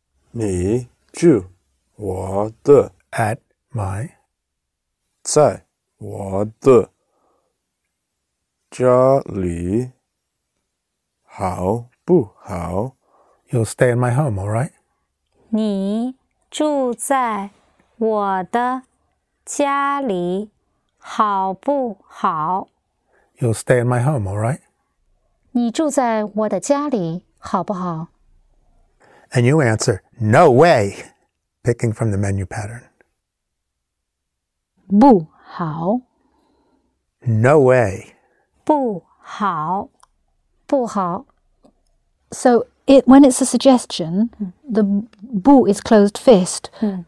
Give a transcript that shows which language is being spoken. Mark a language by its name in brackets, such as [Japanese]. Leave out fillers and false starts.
[Chinese] 你住我的。 [English] At my [Chinese] 在我的家里好不好? [English] You'll stay in my home, all right? [Chinese] 你住在我的家里好不好? [English] You'll stay in my home, all right? [Chinese] 你住在我的家里好不好? [English] And you answer, no way, picking from the menu pattern. [Chinese] 不好. [English] No way. [Chinese] 不好. 不好. [English] So it, when it's a suggestion, the 不 is closed fist. Mm.